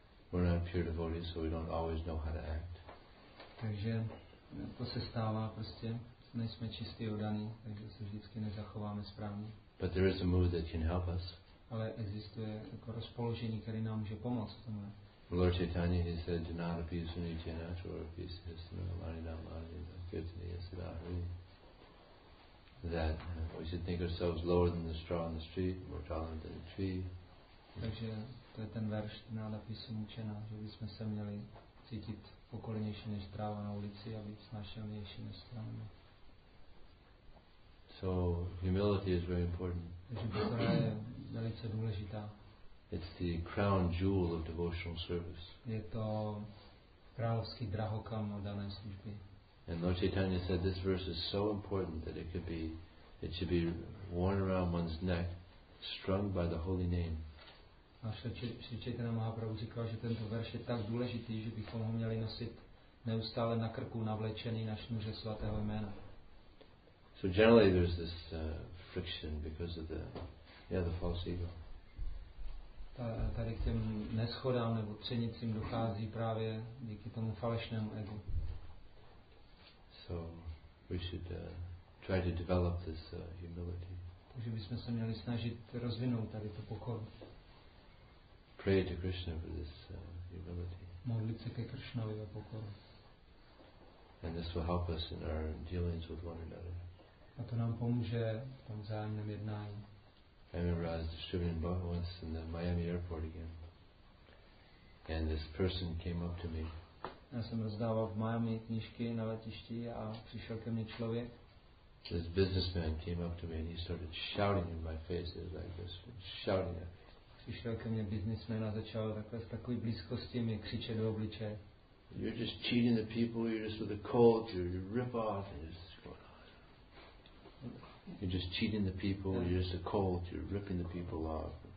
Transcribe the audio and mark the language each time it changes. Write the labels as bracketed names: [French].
[English] We're not pure devotees, so we don't always know how to act. [Czech] Takže to se stává prostě, nejsme čistí oddaní, takže se vždycky nezachováme správně. [English] But there is a mood that can help us. [Czech] Ale existuje jako rozpoložení, které nám může pomoct v tomhle. [English] Lord Chaitanya, he said, do not abuse any natural abuses, [Sanskrit] no mani na mani, no kirtani yasadahari. [English] That we should think ourselves lower than the straw on the street, more tolerant than the tree. [Czech] Takže to je ten verš, ten nápisy mučena, že bychom se měli cítit pokolenější než tráva na ulici a být snášenější než stromy. [English] So humility is very important. [Czech] Takže pokora je velice důležitá. [English] It's the crown jewel of devotional service. [Czech] Je to královský drahokam dané služby. [English] And Lord Chaitanya said this verse is so important that it should be worn around one's neck, strung by the holy name. [Czech] A Sri Chaitanya Mahaprabhu říkal, že tento verš je tak důležitý, že bychom ho měli nosit neustále na krku, navlečený na šnuře svatého jména. [English] So generally there's this friction because of the, yeah, the false ego. [Czech] Tady k těm neschodám nebo třenicím dochází právě díky tomu falešnému egu. [English] So we should try to develop this humility. [Czech] Takže bychom se měli snažit rozvinout tady to pokoru. [English] Pray to Krishna for this humility. [Czech] Modlit se ke Krishnovi za pokoru. [English] And this will help us in our dealings with one another. [Czech] A to nám pomůže v tom vzájemném jednání. [English] I remember I was distributing Bhava once in the Miami airport again. And this person came up to me. [Czech] Já jsem rozdával v Miami knížky na letišti a přišel ke mně člověk. [English] This businessman came up to me and he started shouting in my face. It was like this, shouting at me. [Czech] Přišel ke mně biznismen a začal takhle s takový blízkostí mě křičet do obličeje. [English] You're just cheating the people, you're just with a cult, you rip off, and it's going on. You're just cheating the people, you're just a cult, you're ripping the people off.